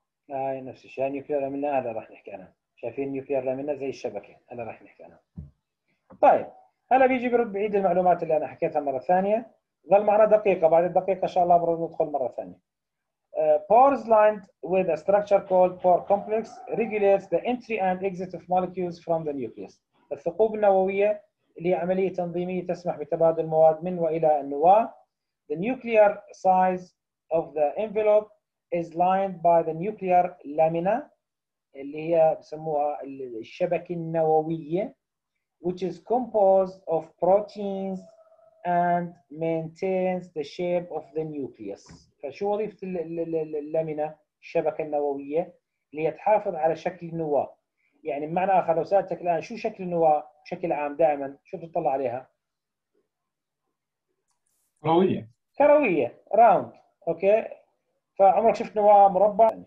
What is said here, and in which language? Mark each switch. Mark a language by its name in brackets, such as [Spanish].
[Arabic] هاي نفس الشيء نيوكليير لامينا، هذا راح نحكي عنها. شايفين نيوكليير لامينا زي الشبكة، هذا راح نحكي عنها. طيب هلا بيجي برد بعيد المعلومات اللي أنا حكيتها مرة ثانية. ظل معنا دقيقة، بعد الدقيقة إن شاء الله برد ندخل مرة ثانية. [English] Pores lined with a structure called pore complex regulates the entry and exit of molecules from the nucleus. [Arabic] الثقوب النووية اللي هي عملية تنظيمية تسمح بتبادل المواد من وإلى النواة. [English] The nuclear size of the envelope is lined by the nuclear lamina, [Arabic] اللي هي بسموها الشبكة النووية, [English] which is composed of proteins and maintains the shape of the nucleus. [Arabic] فشو وظيفة اللامينة، الشبكة النووية، اللي هي تحافظ على شكل النواة. يعني بمعنى آخر لو سألتك الآن شو شكل النواة بشكل عام دائما، شو بتطلع عليها؟ نووية. كروية، راوند، أوكي؟ فعمرك شفت نواة مربع؟